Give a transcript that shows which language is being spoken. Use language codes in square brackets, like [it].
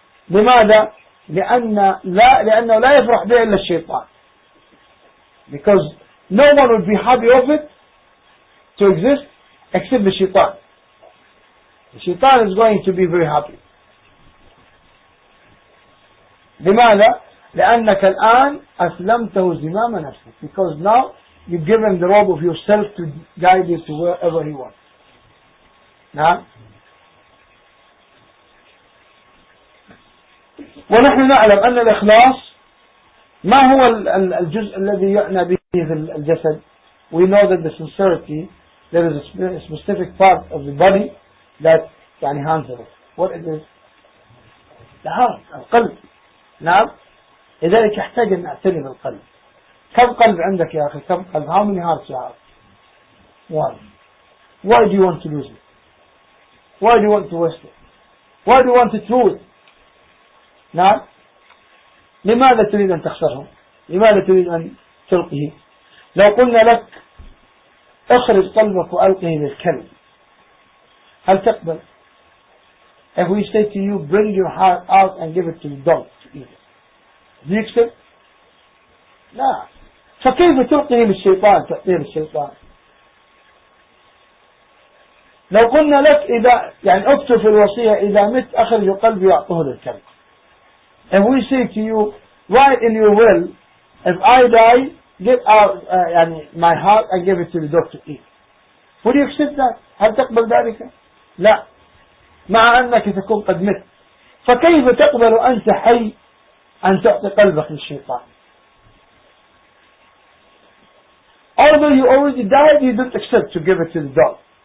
[ar] لماذا؟ لأنه لا يفرح به إلا الشيطان. [en] Because no one would be happy of it to exist except the shaitan. The shaitan is going to be very happy. [ar] لماذا؟ لأنك الآن أسلمته زمام نفسك. Because now you give him the robe of yourself to guide you to wherever he wants. نعم. ونحن نعلم أن الإخلاص ما هو الجزء الذي يعنى به في الجسد. [en] We know that the sincerity, there is a specific part of the body that يعني handles it. What it is? The heart, القلب. [ar] نعم. لذلك يحتاج أن نعتني بالقلب. كم قلب عندك يا أخي؟ كم قلب؟ [en] How many hearts you have? One. Why do you want to lose it? Why do you want to waste it? Why do you want to lose it? [ar] نعم. لماذا تريد أن تخسره؟ لماذا تريد أن تلقيه؟ لو قلنا لك اخرج قلبك وألقيه للكلب هل تقبل؟ [en] If we say to you bring your heart out and give it to the dog to eat it, do you accept? [ar] لا. فكيف تلقيه بالشيطان؟ تعطيه بالشيطان. لو قلنا لك إذا يعني اكتب في الوصية إذا مت أخرج قلبي وأعطوه للكلب. [en] And we say to you, write in your will, if I die, give out يعني my heart and give it to the doctor to eat. Would you accept that? [ar] هل تقبل ذلك؟ لا. مع أنك تكون قد مت. فكيف تقبل أنت حي أن تعطي قلبك للشيطان؟ [en] Although you already died, you don't accept to give it to the dog.